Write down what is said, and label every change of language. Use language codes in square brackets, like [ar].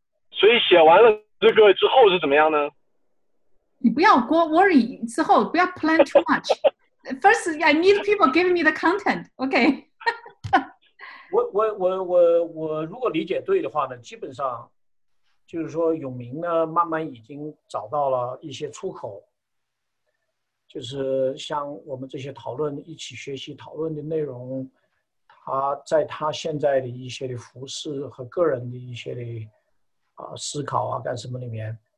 [zh] 所以写完了这个之后是怎么样呢？你不要 worry 之后，不要 [en] plan too much。 First, I need people giving me the content. Okay. [zh] 我如果理解对的话呢，基本上就是说永明呢慢慢已经找到了一些出口，就是像我们这些讨论一起学习讨论的内容，他在他现在的一些的服饰和个人的一些的思考啊干什么里面